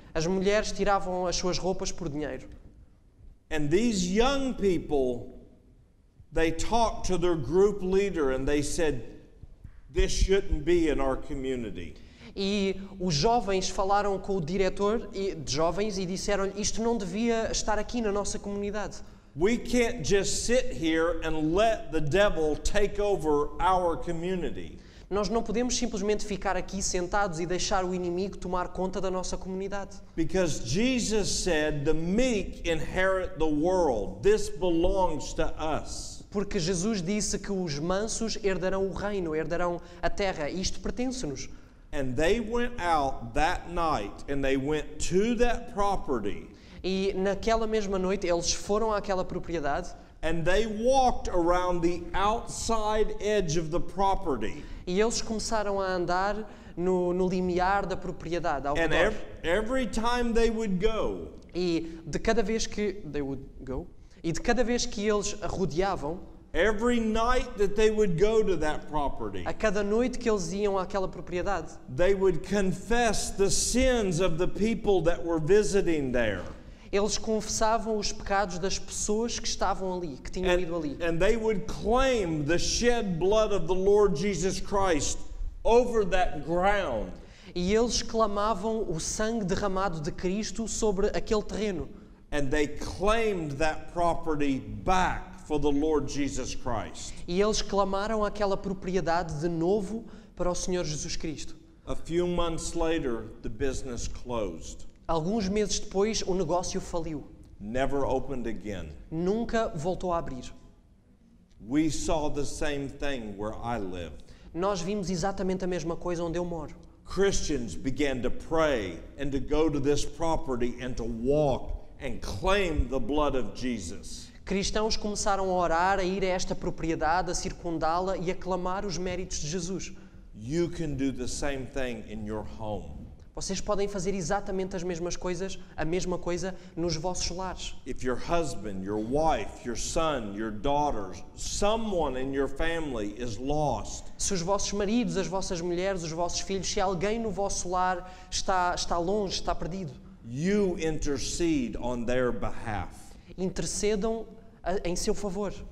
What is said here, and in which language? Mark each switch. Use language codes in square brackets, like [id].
[pt] As mulheres tiravam as suas roupas por dinheiro. [en] And these young people, they talked to their group leader and they said, "This shouldn't be in our community." [pt] E os jovens falaram com o diretor de jovens e disseram-lhe, isto não devia estar aqui na nossa comunidade. [en] We can't just sit here and let the devil take over our community. [pt] Nós não podemos simplesmente ficar aqui sentados e deixar o inimigo tomar conta da nossa comunidade. [en] Because Jesus said, the meek inherit the world. This belongs to us. [pt] Porque Jesus disse que os mansos herdarão o reino, herdarão a terra. Isto pertence-nos. [en] And they went out that night and they went to that property. [pt] E naquela mesma noite eles foram àquela propriedade. [en] And they walked around the outside edge of the property. [pt] E eles começaram a andar no limiar da propriedade, ao redor. [en] And every time they would go. [pt] E de cada vez que [en] they would go. [pt] E de cada vez que eles rodeavam. [en] Every night that they would go to that property. [pt] A cada noite que eles iam àquela propriedade. [en] They would confess the sins of the people that were visiting there. [pt] Eles confessavam os pecados das pessoas que estavam ali, que tinham ido ali. [en] And they would claim the shed blood of the Lord Jesus Christ over that ground. [pt] E eles clamavam o sangue derramado de Cristo sobre aquele terreno. [en] And they claimed that property back for the Lord Jesus Christ. [pt] E eles clamaram aquela propriedade de novo para o Senhor Jesus Cristo. [en] A few months later, the business closed. [pt] Alguns meses depois, o negócio faliu. [en] Never opened again. [pt] Nunca voltou a abrir. [en] We saw the same thing where I live. [pt] Nós vimos exatamente a mesma coisa onde eu moro. [en] Christians began to pray and to go to this property and to walk and claim the blood of Jesus. [pt] Cristãos começaram a orar, a ir a esta propriedade, a circundá-la e a clamar os méritos de Jesus. [en] You can do the same thing in your home. [pt] Vocês podem fazer exatamente as mesmas coisas, a mesma coisa nos vossos lares. [en] If your husband, your wife, your son, your daughter, someone in your family is lost. [pt] Se os vossos maridos, as vossas mulheres, os vossos filhos, se alguém no vosso lar está longe, está perdido. [en] You intercede on their behalf. [pt] Intercedam em seu favor.